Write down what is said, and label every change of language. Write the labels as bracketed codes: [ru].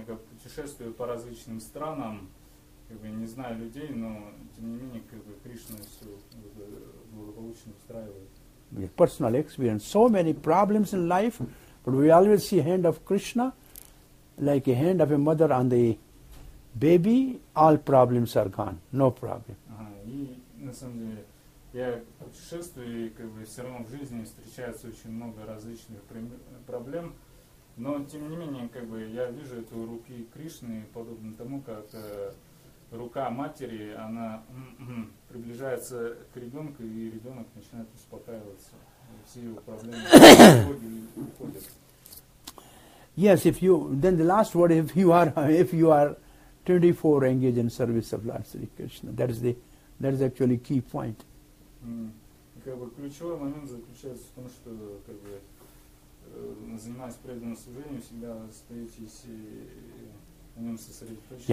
[ru] Путешествую по различным странам, как бы не знаю людей, но тем не менее как бы Кришна все благополучно устраивает. [en] Personal experience. So many problems in life, but we always see hand of Krishna, like a hand of a mother on the baby, all problems are gone. No problem. [ru] И на самом деле я путешествую, и как бы все равно в жизни встречается очень много различных проблем. Но тем не менее, как бы я вижу эту руку Кришны, подобно тому, как рука матери, она приближается к ребенку, и ребенок начинает успокаиваться. Все его проблемы уходят. [en] Yes, if you, then the last word, if you are 24 engaged in service of Lord Sri Krishna, that is actually key point. [ru] Ключовой момент заключается в том, что как бы занимаясь преданным служением, всегда стоитесь и на нем сосредоточиться.